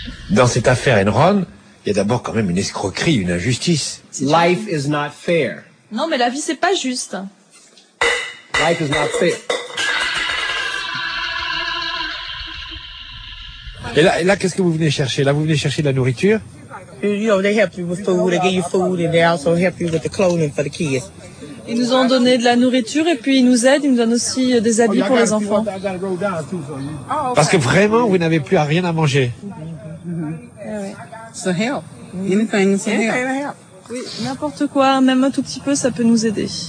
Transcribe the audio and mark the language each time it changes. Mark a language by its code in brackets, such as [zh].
[fr] Dans cette affaire Enron, il y a d'abord quand même une escroquerie, une injustice. [en] Life is not fair. [fr] Non, mais la vie, c'est pas juste. [en] Life is not fair. [fr] Et là, qu'est-ce que vous venez chercher? Là, vous venez chercher de la nourriture? [en] You know, they help you with food, they give you food, and they also help you with the clothing for the kids. [fr] Ils nous ont donné de la nourriture, et puis ils nous aident, ils nous donnent aussi des habits pour les enfants. Parce que vraiment, vous n'avez plus à rien à manger. [en] Mm-hmm. Mm-hmm. Yeah, oui. So help. Anything to help. [fr] Oui, n'importe quoi, même un tout petit peu, ça peut nous aider.